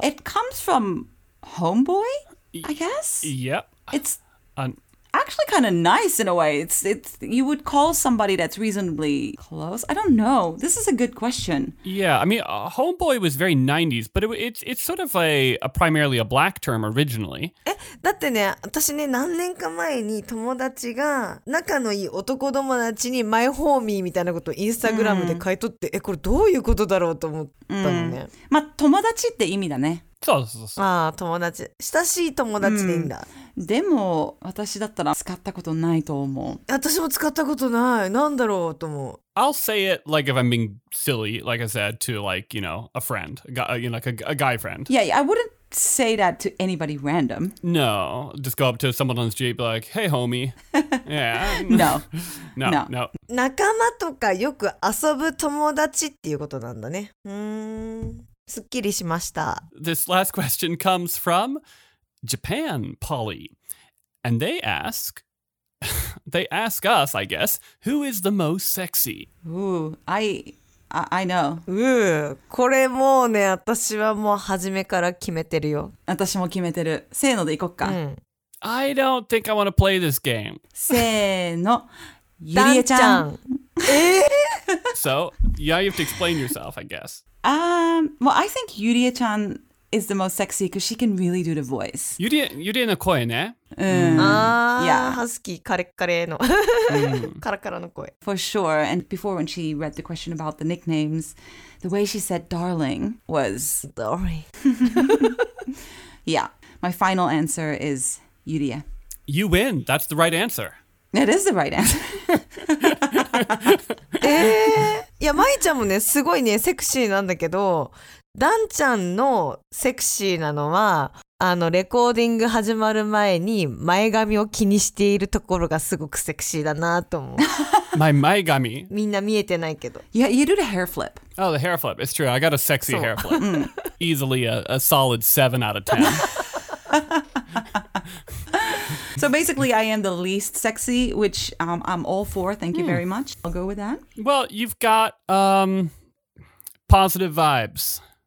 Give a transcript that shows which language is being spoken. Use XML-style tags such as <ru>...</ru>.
<en>It comes from homeboy, I guess? Yep. It's... actually kind of nice in a way. It's you would call somebody that's reasonably close. I don't know. This is a good question. Yeah, I mean, homeboy was very 90s, but it's sort of a primarily a black term originally.</en> <ja>だってね、私ね、何年か前に友達が仲のいい男友達にマイホーミーみたいなことをインスタグラムで書いとって、これどういうことだろうと思ったのね。まあ、友達って意味だね。そうそうそう。まあ、友達。親しい友達でいいんだ。でも私だったら使ったことないと思う。私も使ったことない。なんだろうと思う。</ja> <en>I'll say it like if I'm being silly, like I said, to like, you know, a friend, you know, like a guy friend. Yeah, I wouldn't say that to anybody random. No, just go up to someone on the street, be like, hey, homie. Yeah. No. No. No. No.</en> <ja>仲間とかよく遊ぶ友達っていうことなんだね。すっきりしました。</ja> <en>This last question comes from... Japan, Polly. And they ask us, I guess, who is the most sexy? Ooh, I know. Ooh,</en> <ja>これもうね、私はもう初めから決めてるよ。私も決めてる。せーので行こっか。うん。</ja> <en>I don't think I want to play this game.</en> <ja>せーの。ゆりえちゃん。</ja> <en>So, yeah, you have to explain yourself, I guess. Well, I think ゆりえちゃんis the most sexy because she can really do the voice.</en> <ja>Yurie の声ね。</ja> <en>Yeah. Husky,</en> <ja>kare-kare の。Kara-kara の声。</ja> <en>For sure. And before when she read the question about the nicknames, the way she said darling was... Darling. Yeah. My final answer is Yurie. You win. That's the right answer. It is the right answer.</en> <ja>いや、まいちゃんもね、すごいね、セクシーなんだけど、ダンちゃんのセクシーなのは、あのレコーディング始まる前に前髪を気にしているところがすごくセクシーだなと思う。</ja> <en>My 前髪？</en> <ja>みんな見えてないけど。</ja> <en>Yeah, you did a hair flip. Oh, the hair flip. It's true. I got a sexy hair flip. Easily a solid 7 out of 10. So basically, I am the least sexy, which I'm all for. Thank you very much. I'll go with that. Well, you've got positive vibes.</en>